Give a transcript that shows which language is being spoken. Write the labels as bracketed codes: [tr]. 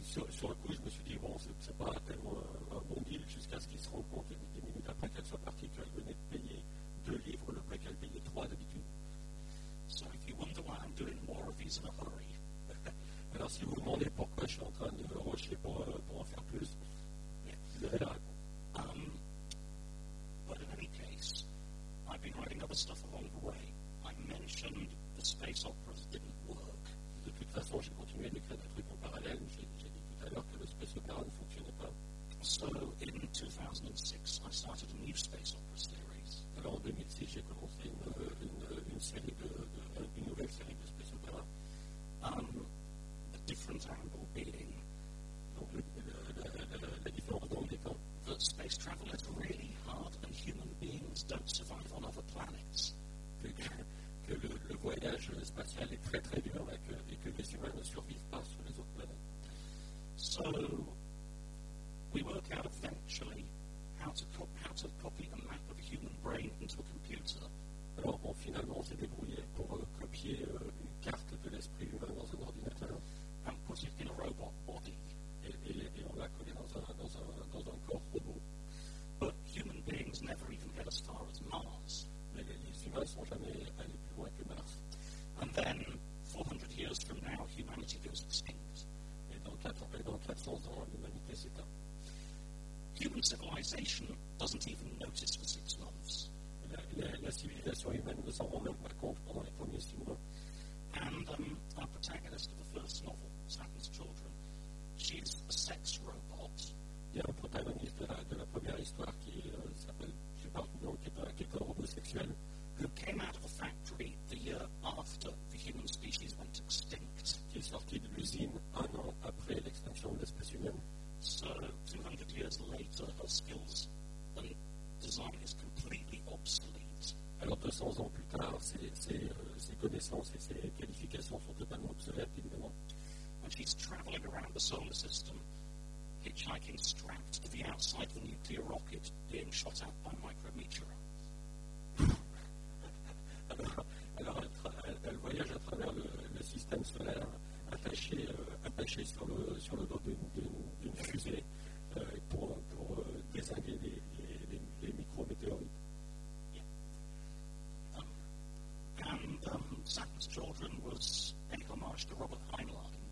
[fr] sur le coup, je me suis dit, bon, c'est pas tellement un bon deal jusqu'à ce qu'il se rende compte, des minutes après qu'elle soit partie, qu'elle venait de payer 2 livres, le prix qu'elle payait 3 d'habitude. [en] So if you wonder why I'm doing more of these in a hurry. [fr] Alors, si vous demandez pourquoi je suis en train de rusher pour en faire plus, vous avez la réponse. [en] But in any case, I've been writing other stuff along the way. I mentioned the space operas didn't work. [fr] De toute façon, j'ai continué de créer des trucs en parallèle. [en] So in 2006, I started a new space opera series. [fr] Alors en 2006, j'ai commencé une nouvelle série de space opera. [en] A different angle being [fr] la différence d'angle étant [en] that space travel is really hard and human beings don't survive on other planets. [fr] Que le voyage spatial est très très dur et que les humains ne survivent pas sur les autres planètes. [en] So we work out eventually how to copy a map of a human brain into a computer. [fr] Alors, bon, finalement, c'est débrouillé pour copier une carte de l'esprit humain dans un ordinateur. [en] And put it in a robot body. [fr] Et on l'a collé dans un corps robot. [en] But human beings never even get as far as Mars. [fr] Mais les humains ne sont jamais allés plus loin que Mars. [en] And then, 400 years from now, humanity goes extinct. [fr] Et dans 400 ans, l'humanité s'éteint. [en] Human civilization doesn't even notice for 6 months. [fr] La civilisation humaine ne s'en rend même pas compte pendant les premiers 6 mois. [en] And our protagonist of the first novel, Saturn's Children, she's a sex robot. [fr] Il y a un protagoniste de la première histoire qui s'appelle, qui est un robot sexuel. [en] Who came out of a factory the year after the human species went extinct. [fr] Qui est sorti de l'usine un an après l'extinction de l'espèce humaine. [en] So 200 years later, her skills and design is completely obsolete. [fr] Alors 200 ans plus tard, ses connaissances et ses qualifications sont totalement obsolètes, évidemment. [en] And she's traveling around the solar system, hitchhiking strapped to the outside of the nuclear rocket being shot out by micrometeorites. [fr] Alors elle voyage à travers le système solaire, attachée sur le dos d'une fusée pour désinguer les micrométéorites. [en] Yeah. And Saturn's Children was an homage to Robert Heinlein.